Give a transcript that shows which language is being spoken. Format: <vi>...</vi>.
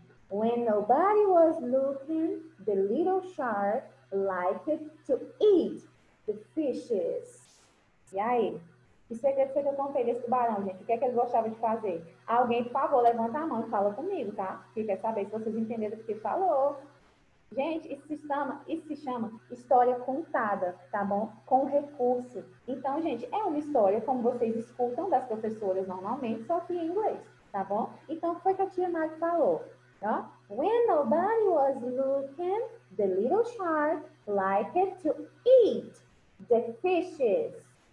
<en>When nobody was looking, the little shark liked to eat the fishes.</en> <pt>E aí? Que segredo foi que eu contei desse tubarão, gente? O que é que ele gostava de fazer? Alguém, por favor, levanta a mão e fala comigo, tá? Que quer saber se vocês entenderam o que falou. Gente, isso se chama história contada, tá bom? Com recurso. Então, gente, é uma história como vocês escutam das professoras normalmente, só que em inglês, tá bom? Então, o que foi que a tia Mari falou? Tá?</pt> <en>When nobody was looking, the little shark liked to eat the fishes.</en>